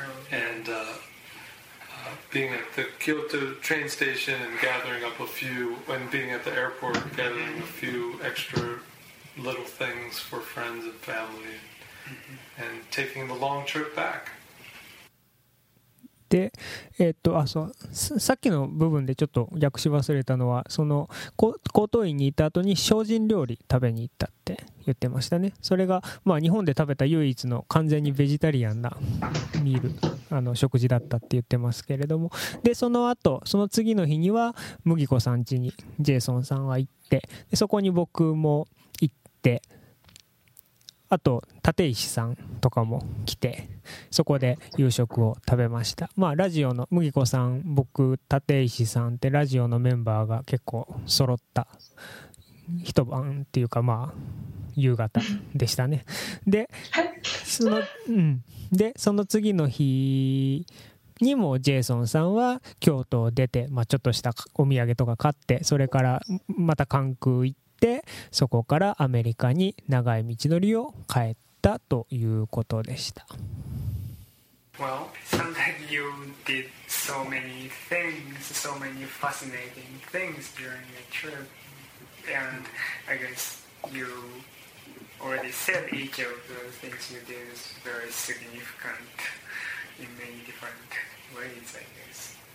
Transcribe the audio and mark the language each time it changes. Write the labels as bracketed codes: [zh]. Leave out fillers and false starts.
[en] And being at the Kyoto train station and gathering up a few, and being at the airport gathering a few extra little things for friends and family, and taking the long trip back. [ja] で、そう、さっきの部分でちょっと略し忘れたのは、その高等院に行った後に精進料理食べに行ったって言ってましたね。それが、まあ、日本で食べた唯一の完全にベジタリアンなミール、あの食事だったって言ってますけれども、でその後、その次の日には麦子さん家にジェイソンさんは行って、でそこに僕も行って、あと立石さんとかも来て、そこで夕食を食べました。まあラジオの麦子さん、僕、立石さんってラジオのメンバーが結構揃った一晩っていうか、まあ夕方でしたね。で、その、うん、でその次の日にもジェイソンさんは京都を出て、まあ、ちょっとしたお土産とか買って、それからまた関空行って、そこからアメリカに長い道のりを帰ったということでした。 [en] Well, sounds like you did so many things, so many fascinating things during your trip, and I guess youAlready said each of the things you did is very significant in many different ways, I guess.